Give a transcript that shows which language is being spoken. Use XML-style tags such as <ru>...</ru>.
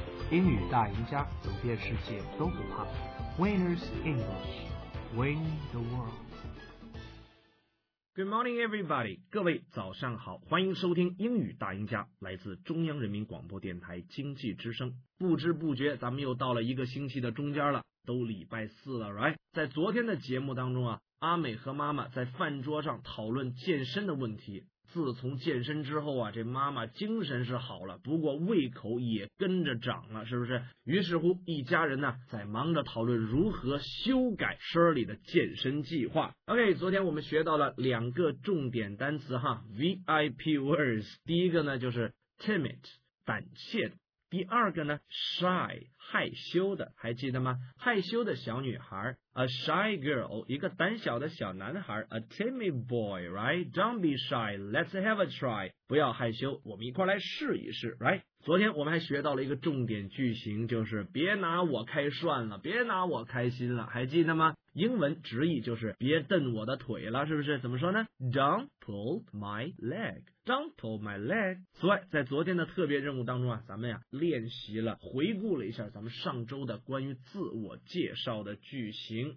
<zh>英语大赢家，走遍世界都不怕。</zh> <en>Winners English, Win the World. Good morning, everybody.</en> <zh>各位早上好，欢迎收听英语大赢家，来自中央人民广播电台经济之声。不知不觉，咱们又到了一个星期的中间了，都礼拜四了 ，right？在昨天的节目当中啊，阿美和妈妈在饭桌上讨论健身的问题。自从健身之后啊，这妈妈精神是好了，不过胃口也跟着长了，是不是？于是乎一家人呢在忙着讨论如何修改 Shirley 的健身计划。 OK， 昨天我们学到了两个重点单词哈， VIP words。第一个呢就是 timid， 胆怯的。第二个呢 shy， 害羞的，还记得吗？害羞的小女孩， a shy girl， 一个胆小的小男孩， a timid boy， right？</zh> <en>Don't be shy， let's have a try，</en> <zh>不要害羞，我们一块来试一试，</zh> <en>right？</en> <zh>昨天我们还学到了一个重点句型，就是别拿我开涮了，别拿我开心了，还记得吗？英文直译就是别蹬我的腿了，是不是？怎么说呢？</zh> <en>Don't pull my leg， Don't pull my leg。</en> <zh>此外，在昨天的特别任务当中啊，咱们呀练习了，回顾了一下咱们上周的关于自我介绍的句型。</zh>